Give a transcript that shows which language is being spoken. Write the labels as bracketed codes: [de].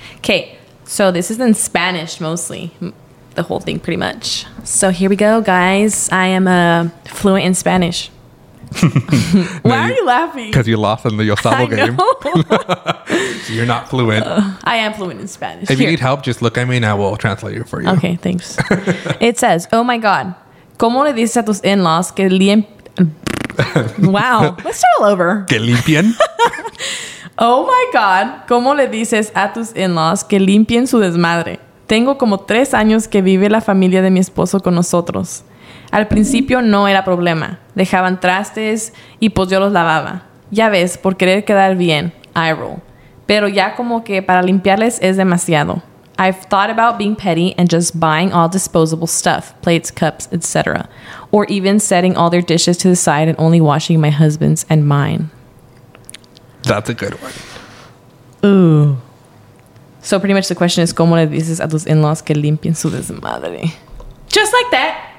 [en] Okay, so this is in Spanish mostly, the whole thing pretty much. So here we go, guys. I am fluent in Spanish. Why are you laughing? Because you lost in the Yosabo game. So you're not fluent. I am fluent in Spanish. If you need help, just look at me and I will translate it for you. Okay, thanks. It says, oh my God, [es] ¿cómo le dices a tus in-laws que lien... [en] Wow, let's start all over. [es] Que limpien. [en] Oh my God, [es] ¿cómo le dices a tus in-laws que limpien su desmadre? Tengo como 3 años que vive la familia de mi esposo con nosotros. Al principio no era problema. Dejaban trastes y pues yo los lavaba. Ya ves, por querer quedar bien, [en] I roll. [es] Pero ya como que para limpiarles es demasiado. [en] I've thought about being petty and just buying all disposable stuff, plates, cups, etc. Or even setting all their dishes to the side and only washing my husband's and mine. That's a good one. Ooh. So pretty much the question is, [es] ¿cómo le dices a tus in-laws que limpien su desmadre? [en] Just like that.